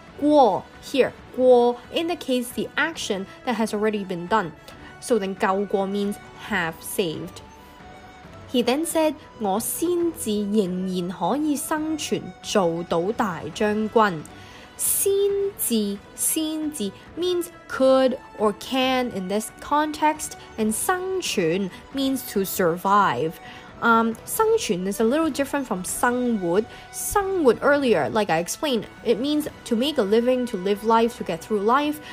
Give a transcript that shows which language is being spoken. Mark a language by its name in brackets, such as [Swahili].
[English] Guo here, guo indicates the action that has already been done. So then, gao guo means have saved. He then said, [Cantonese] 我先至仍然可以生存，做到大将军。先至 [English] means could or can in this context, and 生存 means to survive. 生存 is a little different from 生活.生活 earlier, like I explained, it means to make a living, to live life, to get through life.